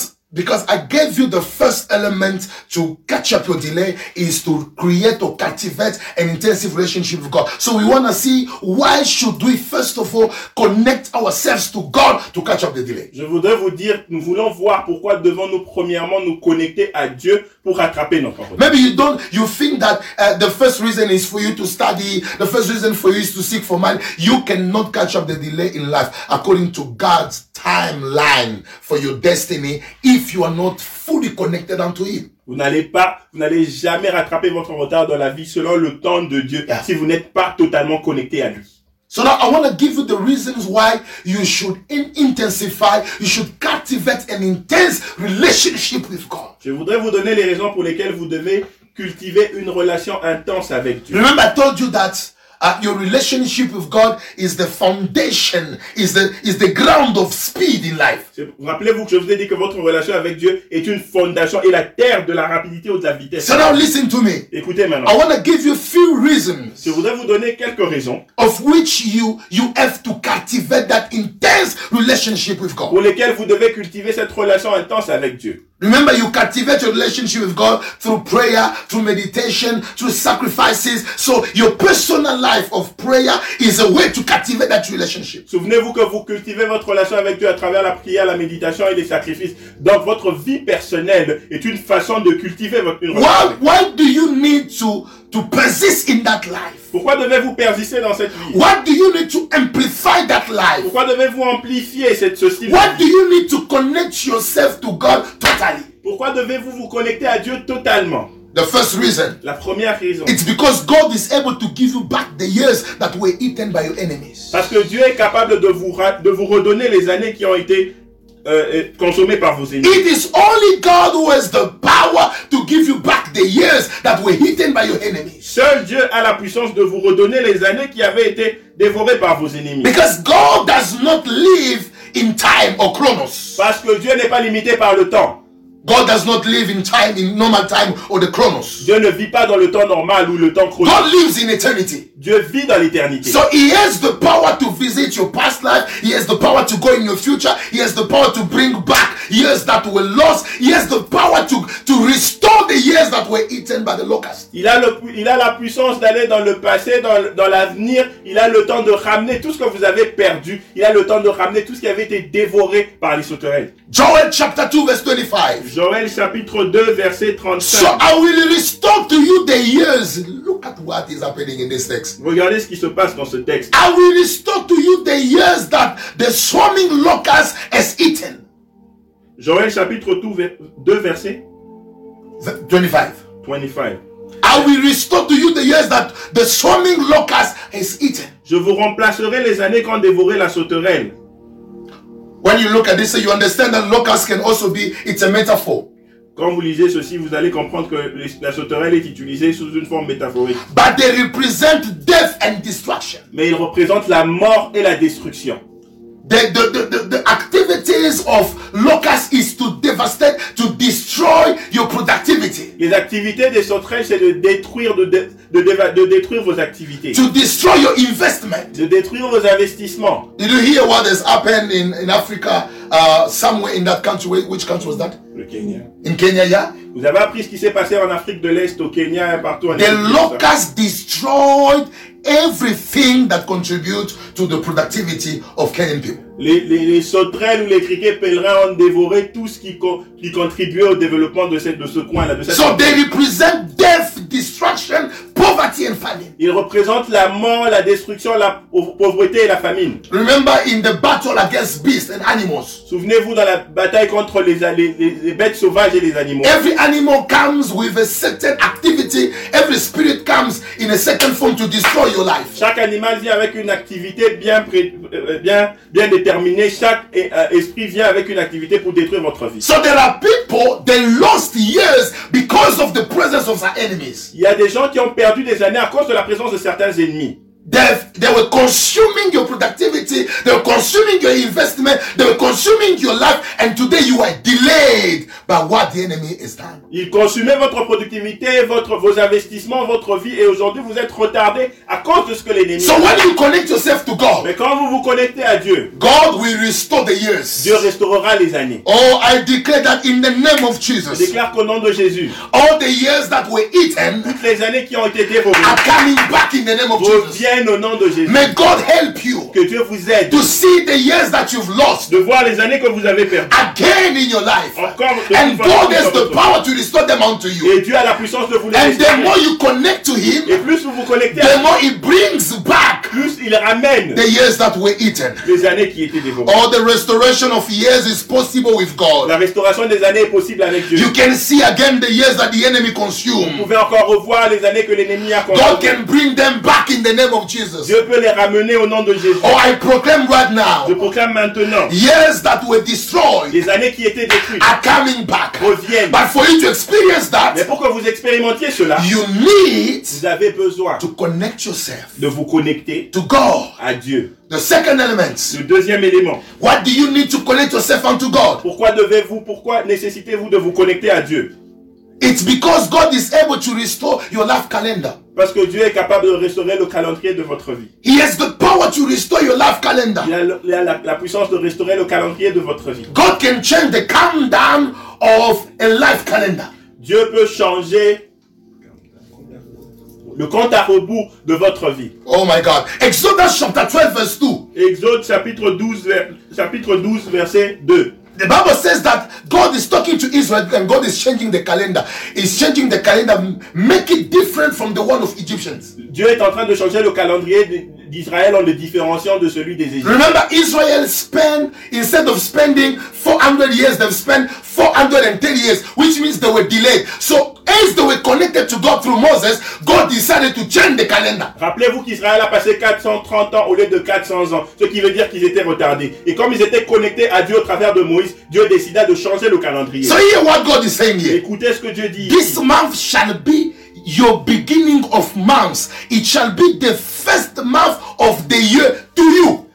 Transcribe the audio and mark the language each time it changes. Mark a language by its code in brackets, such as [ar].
[en] Because I gave you the first element to catch up your delay is to create or cultivate an intensive relationship with God. So we want to see why should we first of all connect ourselves to God to catch up the delay. [fr] Je voudrais vous dire, nous voulons voir pourquoi devons-nous premièrement nous connecter à Dieu pour rattraper notre retard. [en] Maybe you think that the first reason is for you to study, the first reason for you is to seek for money. You cannot catch up the delay in life according to God's timeline for your destiny if you are not fully connected unto him. [fr] Vous n'allez jamais rattraper votre retard dans la vie selon le temps de Dieu, yeah, si vous n'êtes pas totalement connecté à lui. [en] So now I want to give you the reasons why you should intensify, you should cultivate an intense relationship with God. [fr] Je voudrais vous donner les raisons pour lesquelles vous devez cultiver une relation intense avec Dieu. [en] Remember I told you that your relationship with God is the foundation, is the ground of speed in life. [fr] Rappelez-vous que je vous ai dit que votre relation avec Dieu est une fondation et la terre de la rapidité ou de la vitesse. [en] So now listen to me. [fr] Écoutez maintenant. [en] I want to give you a few reasons. [fr] Je voudrais vous donner quelques raisons. [en] Of which you have to cultivate that intense relationship with God. [fr] Pour lesquelles vous devez cultiver cette relation intense avec Dieu. [en] Remember, you cultivate your relationship with God through prayer, through meditation, through sacrifices. So your personal life of prayer is a way to cultivate that relationship. [fr] Souvenez-vous que vous cultivez votre relation avec Dieu à travers la prière, la méditation et les sacrifices. Donc votre vie personnelle est une façon de cultiver votre relation. [en] Why do you need to persist in that life? [fr] Pourquoi devez-vous persister dans cette vie? [en] What do you need to amplify that life? [fr] Pourquoi devez-vous amplifier cette ceci? [en] What do you need to connect yourself to God totally? [fr] Pourquoi devez-vous vous connecter à Dieu totalement? [en] The first reason. [fr] La première raison. [en] It's because God is able to give you back the years that were eaten by your enemies. [fr] Parce que Dieu est capable de vous redonner les années qui ont été consommé par vos ennemis. [en] It is only God who has the power to give you back the years that were eaten by your enemies. [fr] Seul Dieu a la puissance de vous redonner les années qui avaient été dévorées par vos ennemis. [en] Because God does not live in time or chronos. [fr] Parce que Dieu n'est pas limité par le temps. [en] God does not live in time, in normal time or the chronos. [fr] Dieu ne vit pas dans le temps normal ou le temps chronos. [en] God lives in eternity. [fr] Dieu vit dans l'éternité. [en] So he has the power to visit your past life. He has the power to go in your future. He has the power to bring back years that were lost. He has the power to restore the years that were eaten by the locust. [fr] Il a la puissance d'aller dans le passé, dans l'avenir. Il a le temps de ramener tout ce que vous avez perdu. Il a le temps de ramener tout ce qui avait été dévoré par les sauterelles. [en] Joel chapter 2 verse 25. [fr] Joël chapitre 2 verset 35. [en] So I will restore to you the years. Look at what is happening in this text. [fr] Regardez ce qui se passe dans ce texte. [en] I will restore to you the years that the swarming locust has eaten. [fr] Joël chapitre 2 verset 25. [en] I will restore to you the years that the swarming locust has eaten. [fr] Je vous remplacerai les années qu'ont dévoré la sauterelle. [en] When you look at this, you understand that locust can also be, it's a metaphor. [fr] Quand vous lisez ceci, vous allez comprendre que la sauterelle est utilisée sous une forme métaphorique. [en] But they represent death and destruction. [fr] Mais ils représentent la mort et la destruction. [en] The activities of locust is to devastate, to destroy your productivity. [fr] Les activités des sauterelles, c'est de détruire, de détruire vos activités. [en] To destroy your investment. [fr] De détruire vos investissements. [en] Did you hear what has happened in Africa, somewhere in that country? Which country was that? [fr] Le Kenya. [en] In Kenya, yeah. [fr] Vous avez appris ce qui s'est passé en Afrique de l'Est, au Kenya, partout en Afrique. [en] The locust destroyed everything that contributes to the productivity of Canaan people. [fr] Les sauterelles ou les criquets pèlerins ont dévoré tout ce qui contribuait au développement de ce coin là. [en] So they represent death, destruction, poverty and famine. [fr] Ils représentent la mort, la destruction, la pauvreté et la famine. [en] Remember in the battle against beasts and animals. [fr] Souvenez-vous dans la bataille contre les bêtes sauvages et les animaux. [en] Every animal comes with a certain activity. Every spirit comes in a certain form to destroy your life. [fr] Chaque animal vient avec une activité bien déterminé, chaque esprit vient avec une activité pour détruire votre vie. [en] So there are people that lost years because of the presence of their enemies. [fr] Il y a des gens qui ont perdu des années à cause de la présence de certains ennemis. [en] They were consuming your productivity, they were consuming your investment, they were consuming your life, and today you are delayed by what the enemy has done. [fr] Ils consumaient votre productivité, vos investissements, votre vie, et aujourd'hui vous êtes retardé à cause de ce que l'ennemi. [en] So when you connect yourself to God, [fr] mais quand vous vous connectez à Dieu, [en] God will restore the years. [fr] Dieu restaurera les années. [en] Oh, I declare that in the name of Jesus. [fr] Je déclare qu'au nom de Jésus, [en] all the years that were eaten, [fr] toutes les années qui ont été dévorées, [en] are coming back in the name of Jesus. [fr] Au nom de Jésus. [en] May God help you. [fr] Que Dieu vous aide. [en] To see the years that you've lost. [fr] De voir les années que vous avez perdues. [en] Again in your life. [fr] Encore. [en] And God has the power to restore them unto you. [fr] Et Dieu a la puissance de vous les and restaurer. [en] The more you connect to Him. [fr] Et plus vous vous connectez. [en] The more He brings back. [fr] Plus il ramène. [en] The years that were eaten. [fr] Les années qui étaient dévorées. [en] All the restoration of years is possible with God. [fr] La restauration des années est possible avec Dieu. [en] You can see again the years that the enemy consumed. [fr] Vous pouvez encore revoir les années que l'ennemi a consumées. [en] God can bring them back in the name of Jesus. [fr] Dieu peut les ramener au nom de Jésus. [en] Oh, I proclaim right now. [fr] Je proclame maintenant. [en] Years that were destroyed. [fr] Les années qui étaient détruites. [en] Are coming back. [fr] Reviennent. [en] But for you to experience that. [fr] Mais pour que vous expérimentiez cela. [en] You need. [fr] Vous avez besoin. [en] To connect yourself. [fr] De vous connecter. [en] To God. [fr] À Dieu. [en] The second element. [fr] Le deuxième élément. [en] What do you need to connect yourself unto God? [fr] Pourquoi nécessitez-vous de vous connecter à Dieu? [en] It's because God is able to restore your life calendar. [fr] Parce que Dieu est capable de restaurer le calendrier de votre vie. [en] He has the power to restore your life calendar. [fr] Il a la puissance de restaurer le calendrier de votre vie. [en] God can change the countdown of a life calendar. [fr] Dieu peut changer le compte à rebours de votre vie. [en] Oh my God. Exodus chapter 12 verse 2. [fr] Exode chapitre 12 verset 2. [en] The Bible says that God is talking to Israel and God is changing the calendar. He's changing the calendar, make it different from the one of Egyptians. [fr] Dieu est en train de changer le calendrier d'Israël en le différenciant de celui des Égyptiens. [en] Remember, Israel spent, instead of spending 400 years, they've spent 430 years, which means they were delayed. So, as they were connected to God through Moses, God decided to change the calendar. [fr] Rappelez-vous qu'Israël a passé 430 ans au lieu de 400 ans, ce qui veut dire qu'ils étaient retardés. Et comme ils étaient connectés à Dieu au travers de Moïse, Dieu décida de changer le calendrier. [en] So hear what God is saying here. [fr] Écoutez ce que Dieu dit. [en] This month shall be your beginning of months. It shall be the first month of the year to you.